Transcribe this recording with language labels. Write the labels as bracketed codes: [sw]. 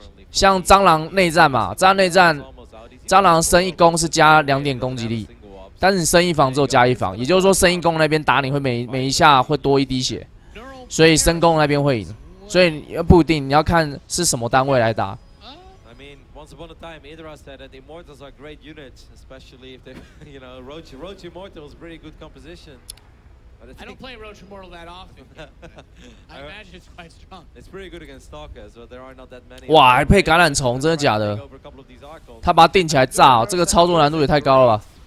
[zh] 像蟑螂内战嘛，蟑螂内战，蟑螂升一攻是加两点攻击力，但是你升一防之后加一防，也就是说升一攻那边打你会每一下会多一滴血，所以升攻那边会赢，所以不一定，你要看是什么单位来打。 [en] Once upon a time, Idra said that immortals are great units, especially if they, you know, Roach immortal is pretty good composition. But I don't play Roach immortal that often. I imagine it's quite strong. It's pretty good against stalkers, but there are not that many. [zh] 哇，还配感染虫，真的假的？他把它定起来炸、哦，这个操作难度也太高了吧？